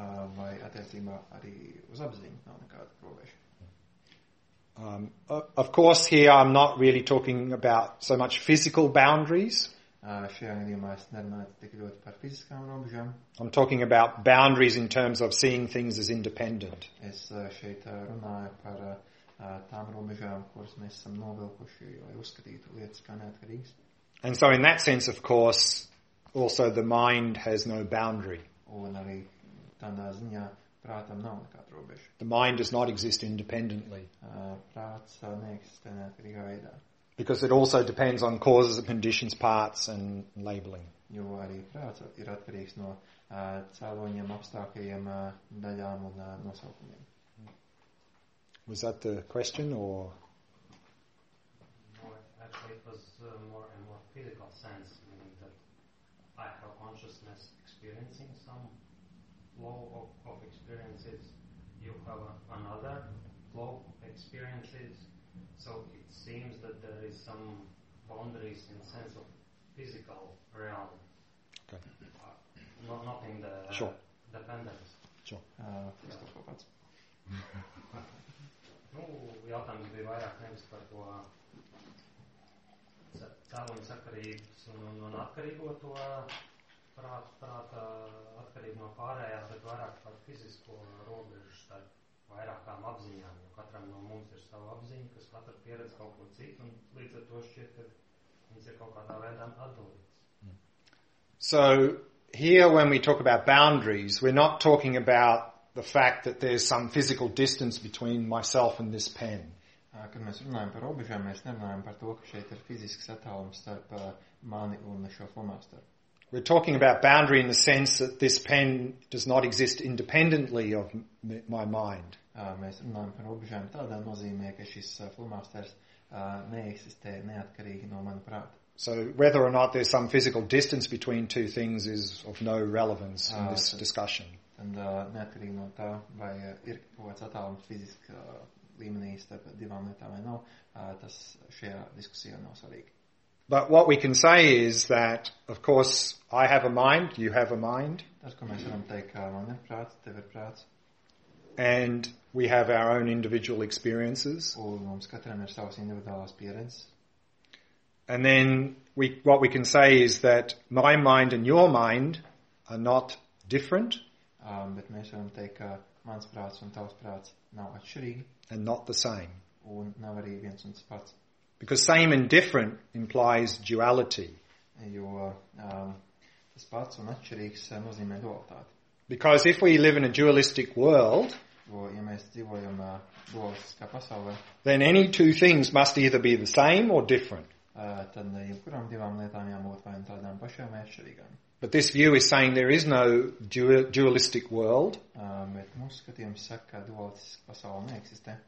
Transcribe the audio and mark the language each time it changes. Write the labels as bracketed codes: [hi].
[lv] Vai attiecībā arī uz apziņu nav nekāda robeža? [en] Of course, here I'm not really talking about so much physical boundaries. [lv] Šajā gadījumā es nerunāju tik ļoti par fiziskām robežām. [en] I'm talking about boundaries in terms of seeing things as independent. [lv] Es šeit runāju par tām robežām, kuras mēs esam novilkuši, lai uzskatītu lietas kā neatkarīgas. [en] And so in that sense, of course, also the mind has no boundary. [lv] Un arī tādā ziņā prātam nav nekāda robeža. [en] The mind does not exist independently. [lv] Prāts neeksistē neatkarīgā veidā. [en] Because it also depends on causes and conditions, parts and labeling. [lv] Jo arī prāts ir atkarīgs no cēloņiem, apstākļiem, daļām un nosaukumiem. [en] Was that the question or? No, actually it was more and more physical sense, meaning that I have consciousness experiencing some flow of experiences, you have another flow experiences, so it seems that there is some boundaries in sense of physical realm. Okay. Not in the sure. Dependence. Sure. Yeah. [lv] Nu, jautājums bija vairāk nevis par to cēloņu sakarības un atkarīgo to prāta atkarību no pārējā, bet vairāk par fizisko robežu starp vairākām apziņām, jo katram no mums ir sava apziņa, kas katra pieredz kaut ko citu, un līdz ar to šķiet, ka viņš ir kaut kādā veidā atdalīts. [en] So, here when we talk about boundaries, we're not talking about the fact that there's some physical distance between myself and this pen. [lv] Kad mēs runājam par robežām, mēs nerunājam par to, ka šeit ir fizisks attālums starp mani un šo flomasteru. [en] We're talking about boundary in the sense that this pen does not exist independently of my mind. [lv] Mēs runājam par robežām tādā nozīmē, ka šis flomasters neeksistē neatkarīgi no mana prāta. [en] So whether or not there's some physical distance between two things is of no relevance in this discussion. [lv] Un neatkarīgi no tā, vai ir kaut kāds attālums fiziska līmenī starp divām lietām vai nav, tas šajā diskusijā nav svarīgi. [en] But what we can say is that, of course, I have a mind, you have a mind. [lv] Tas, ko mēs varam teikt, ka man ir prāts, tev ir prāts. [en] And we have our own individual experiences. [lv] Un mums katram ir savas individuālās pieredzes. [en] And then what we can say is that my mind and your mind are not different. [lv] Bet mēs varam teikt, ka mans prāts un tavs prāts nav atšķirīgi. [en] And not the same. [lv] Un nav arī viens un tas pats. [en] Because same and different implies duality. [lv] Jo tas pats un atšķirīgs nozīmē dualitāti. [en] Because if we live in a dualistic world, [lv] jo, ja mēs dzīvojam dualistiskā pasaulē, [en] then any two things must either be the same or different. [lv] Tad jebkurām divām lietām jābūt vai tādām pašām vai atšķirīgām. [en] But this view is saying there is no dualistic world. [lv] Bet mūsu skatījums saka, ka dualistiska pasaule neeksistē.